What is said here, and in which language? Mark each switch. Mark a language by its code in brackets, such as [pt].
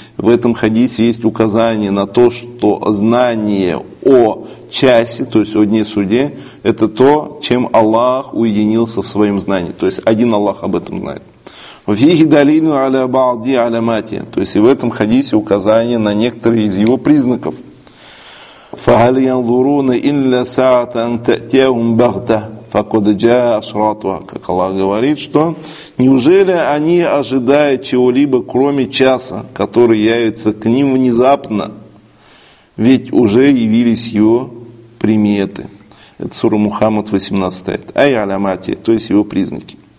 [ru] В этом хадисе есть указание на то, что знание о часе, то есть о дне суде, это то, чем Аллах уединился в своем знании. То есть один Аллах об этом знает. [ar] Вафиги далилю аля баалди аля мати. [ru] То есть и в этом хадисе указание на некоторые из его признаков. [ar] فهل ينظرون إلا ساعة تأتيهم بغتة فقد جاء أشراطها. [ru] Как Аллах говорит, что неужели они ожидают чего-либо, кроме часа, который явится к ним внезапно, ведь уже явились его приметы. Это сура Мухаммад 18. Ай алямати, то есть его признаки.